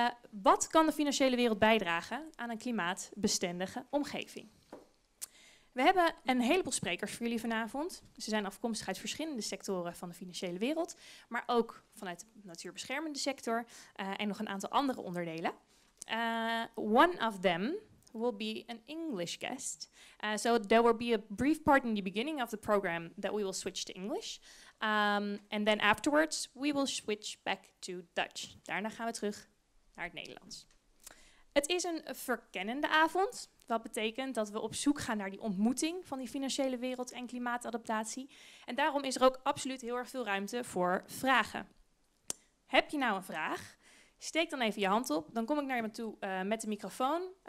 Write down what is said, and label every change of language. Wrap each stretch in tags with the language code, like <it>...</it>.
<nl>Wat kan de financiële wereld bijdragen aan een klimaatbestendige omgeving? We hebben een heleboel sprekers voor jullie vanavond. Ze zijn afkomstig uit verschillende sectoren van de financiële wereld. Maar ook vanuit de natuurbeschermende sector en nog een aantal andere onderdelen.</nl> <en>One of them will be an English guest. So there will be a brief part in the beginning of the program that we will switch to English. And then afterwards we will switch back to Dutch.</en> <nl>Daarna gaan we terug naar het Nederlands. Het is een verkennende avond. Wat betekent dat we op zoek gaan naar die ontmoeting van die financiële wereld en klimaatadaptatie. En daarom is er ook absoluut heel erg veel ruimte voor vragen. Heb je nou een vraag? Steek dan even je hand op, dan kom ik naar je toe met de microfoon.</nl>